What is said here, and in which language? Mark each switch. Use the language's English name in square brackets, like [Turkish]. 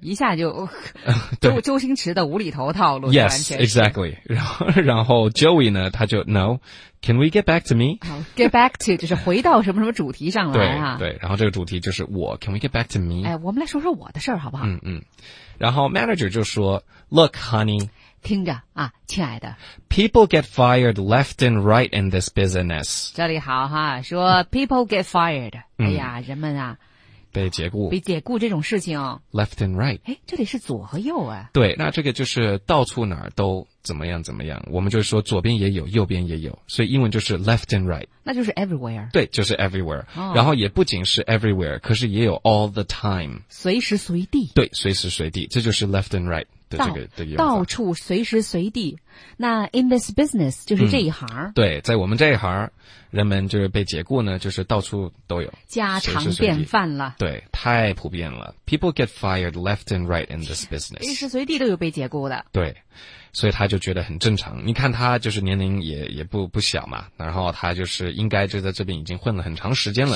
[Chinese] 一下就周星驰的无厘头套路。 [English] Yes, exactly. [Chinese] 然后 [English] Joey [Chinese] 呢，他就 [English] No, can we get back to me? [Chinese] Get back to 就是回到什么什么主题上来啊？对，然后这个主题就是我 ， [English] Can we get back to me? [Chinese] 哎，我们来说说我的事儿好不好？然后 Manager 就说 ， [English] Look, honey. [Chinese] 听着啊，亲爱的。 [English] People get fired left and right in this business. [Chinese] 这里好哈，说 [English] People get fired. [Chinese] 哎呀，人们啊。被解雇，被解雇这种事情 [English] ，left and right， [Chinese] 哎，这里是左和右啊。对，那这个就是到处哪儿都怎么样怎么样，我们就是说左边也有，右边也有，所以英文就是 left and right，那就是 everywhere，对，就是 everywhere，哦、然后也不仅是 everywhere， 可是也有 [English] all the time， [Chinese] 随时随地，对，随时随地，这就是 left and right。到处随时随地，那 in this business 就是这一行、对，在我们这一行，人们就是被解雇呢，就是到处都有，家常便饭了随随。对，太普遍了。 [English] People get fired left and right in this business， [Chinese] 随时随地都有被解雇的。对，所以他就觉得很正常。你看他就是年龄也不小嘛，然后他就是应该就在这边已经混了很长时间了。